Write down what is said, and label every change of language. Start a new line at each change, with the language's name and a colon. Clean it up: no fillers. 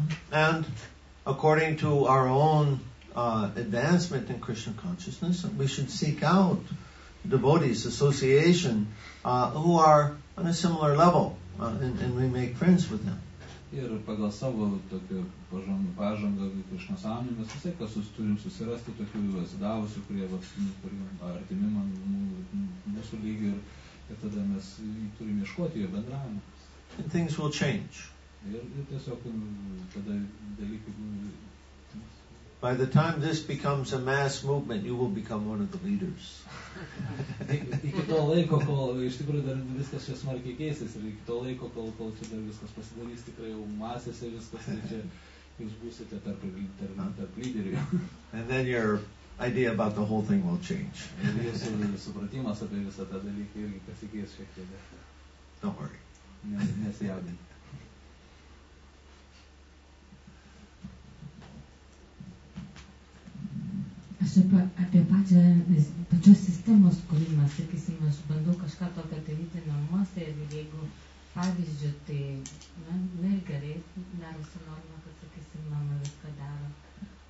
English: And according to our own advancement in Krishna consciousness, we should seek out devotees, association, who are on a similar level, and we make friends with them.
Lithuanian: Ir pagal savo tokio pažangą Krishna sąmonę, mes visai kas turim susirasti tokių atsidavusių, kurie artimi man mūsų lygį ir tada mes turim ieškoti jo bendravimą.
English: And things will change.
Lithuanian: Ir tiesiog tada dalykai.
English: By the time this becomes a mass movement, you will become one of the leaders.
Lithuanian: Iki to laiko, kol iš tikrųjų dar viskas čia smarkiai keisės, ir iki to laiko, kol čia dar viskas pasidarys tikrai jau masės ir viskas, tai čia jūs būsite tarp lyderių.
English: And then your idea about the whole thing will change.
Lithuanian: Jūsų supratimas apie visą tą dalyką irgi pasikeis šiek tiek.
English: Don't worry.
Lithuanian: Nesijaudinti. Apie pačią, pačios sistemos kūrimą, sakysim, aš bandau kažką tokio daryti namuose ir jeigu pavyzdžių, tai na ir gerai, darosi norma, kad sakysim, mama viską daro.